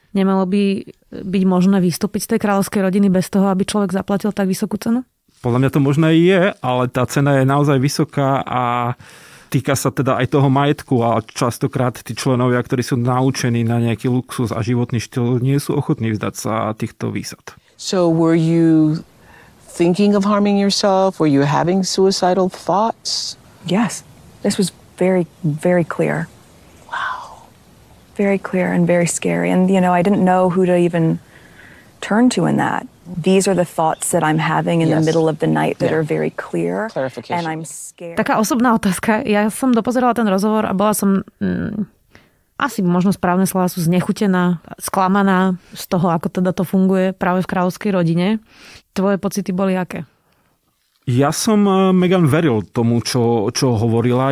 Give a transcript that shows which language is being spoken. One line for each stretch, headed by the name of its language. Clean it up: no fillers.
Slovak: Nemalo by byť možné vystúpiť z tej kráľovskej rodiny bez toho, aby človek zaplatil tak vysokú cenu? Podľa mňa to možné je, ale tá cena je naozaj vysoká a týka sa teda aj toho majetku a častokrát tí členovia, ktorí sú naučení na nejaký luxus a životný štýl, nie sú ochotní vzdať sa týchto výsad.
English: So were you thinking of harming yourself? Were you having suicidal thoughts? Yes, this was very, very clear. Wow. Very clear and very scary. And, you know, I didn't know who to even turn to in that. These are the thoughts that I'm having in the middle of the night that are very clear. Clarification. And I'm scared.
Slovak: Taká osobná otázka. Ja som dopozerala ten rozhovor a bola som asi možno správne slova sú znechutená, sklamaná z toho, ako teda to funguje práve v kráľovskej rodine. Tvoje pocity boli aké? Ja som Meghan veril tomu, čo hovorila.